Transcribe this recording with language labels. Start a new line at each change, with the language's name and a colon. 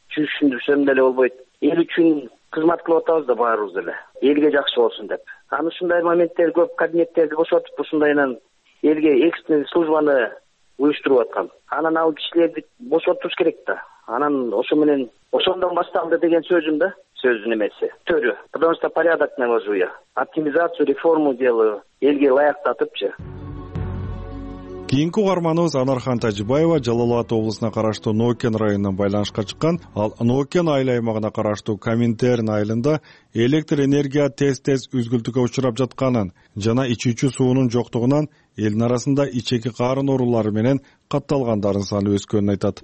Kyrgyz: Түшүндүрсөм деле болбойт. Эл үчүн кызмат кылып атабыз да баарыбыз эле. Элге жакшы болсун деп. Анан ушундай моменттер көп, кабинеттерди бошотуп ушундайынан элге экстренный службаны уюштуруп аткан. Анан ал кишилерди бошотуш керек да. Анан ошо менен ошондон башталды деген сөзүм да, сөздүн эмеси.
Russian: Төрү, потому что порядок навожу я. Оптимизацию, реформу делаю,
Kyrgyz: элге ылайыктатыпчы. Кийинки угарманыбыз Анархан Тажибаева Жалал Абад облусуна караштуу Ноокен районунан байланышка чыккан. Ал Ноокен айыл аймагына караштуу Каминтерн айылында электр энергия тез-тез үзгүлтүккө учурап жатканын жана ичүүчү суунун жоктугунан элдин арасында ичеки каарын оорулары менен катталгандардын саны өскөнүн айтат.